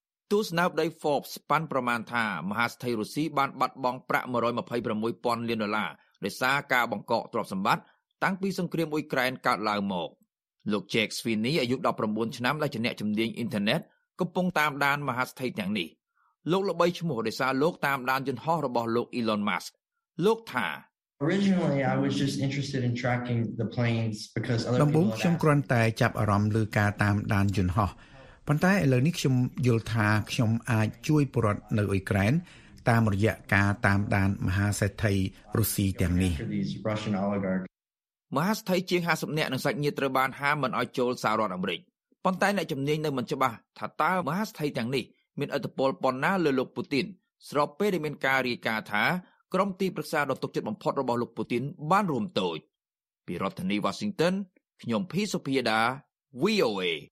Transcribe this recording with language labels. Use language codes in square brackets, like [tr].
[km] ទូស្នាប់ដី Forbes ប៉ាន់ប្រមាណថាមហាសេដ្ឋីរុស្ស៊ីបានបាត់បង់ប្រាក់126,000លានដុល្លារដោយសារការបង្កកទ្រព្យសម្បត្តិតាំងពីសង្គ្រាមអ៊ុយក្រែនកើតឡើងមកលោក Jake Sweeney អាយុ19ឆ្នាំដែលជាអ្នកជំនាញអ៊ីនធឺណិតកំពុងតាមដានមហាសេដ្ឋីទាំងនេះលោកល្បីឈ្មោះដោយសារលោកតាមដានយន្តហោះរបស់លោក Elon Musk លោកថា [en] Originally I was just interested in tracking the planes because other people [km] ខ្ញុំគ្រាន់តែចាប់អារម្មណ៍លើការតាមដានយន្តហោះប៉ុន្តែឥឡូវនេះខ្ញុំយល់ថាខ្ញុំអាចជួយពលរដ្ឋនៅអ៊ុយក្រែនតាមរយៈការតាមដានមហាសេដ្ឋីរុស្ស៊ីទាំងនេះ មហាសេដ្ឋីជាង50នាក់និងសាច់ញាតិត្រូវបានហាមមិនឲ្យចូលសហរដ្ឋអាមេរិកប៉ុន្តែអ្នកជំនាញនៅមិនច្បាស់ថាតើមហាសេដ្ឋីទាំងនេះមានឥទ្ធិពលប៉ុណ្ណាលើលោកពូទីនស្របពេលដែលមានការរាយការណ៍ថាក្រុមទីប្រឹក្សាដ៏ទុកចិត្តបំផុតរបស់លោកពូទីនបានរួមតូចពីរដ្ឋធានី Washington ខ្ញុំភីសុភាដា VOA